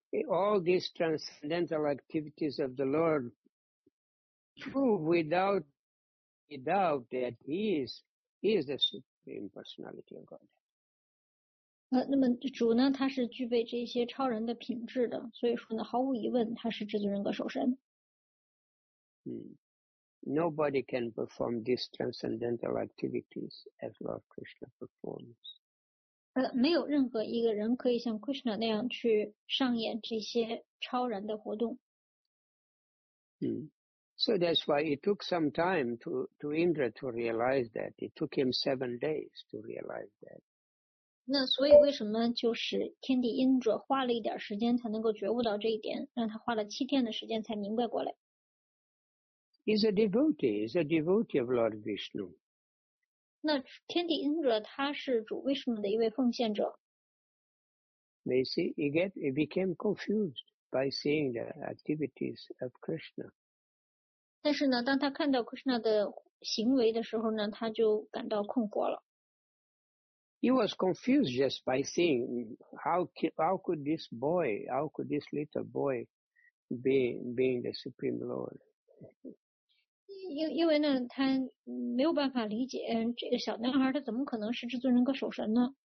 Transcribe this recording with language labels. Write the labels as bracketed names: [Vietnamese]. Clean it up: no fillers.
[English] All these transcendental activities of the Lord prove without a doubt that he is the Supreme Personality of God. [Chinese] 那么主呢，他是具备这些超人的品质的，所以说呢，毫无疑问，他是至尊人格守身。 [English] Nobody can perform these transcendental activities as Lord Krishna performs. [Chinese] 没有任何一个人可以像 Krishna 那样去上演这些超然的活动。 [English] So that's why it took some time to Indra to realize that. It took him 7 days to realize that. [Chinese] 那所以为什么就是天帝 Indra 花了一点时间才能够觉悟到这一点，让他花了7天的时间才明白过来。 [English] He's a devotee of Lord Vishnu. [Chinese] 那天帝 Indra 他是主 Vishnu 的一位奉献者。 [English] You see, he became confused by seeing the activities of Krishna. [Chinese] 但是呢，当他看到 Krishna 的行为的时候呢，他就感到困惑了。 [English] He was confused just by seeing how could this little boy being the Supreme Lord. [Chinese] 因为呢他没有办法理解这个小男孩他怎么可能是至尊人格守神呢。